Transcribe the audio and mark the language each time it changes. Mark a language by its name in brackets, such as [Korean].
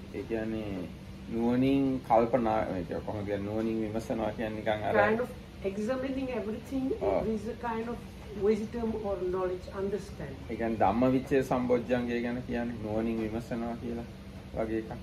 [Sinhala] ඒ කියන්නේ නුවණින් කල්පනා කියන කොහොමද කියන්නේ නුවණින් විමසනවා කියන්නේ නිකන් අර [English] kind of examining everything is a kind of wisdom or knowledge understand. [Sinhala] ඒ කියන්නේ ධම්මවිචේ සම්බොජ්ජංගය ගැන කියන්නේ නුවණින් විමසනවා කියලා වගේ එකක්.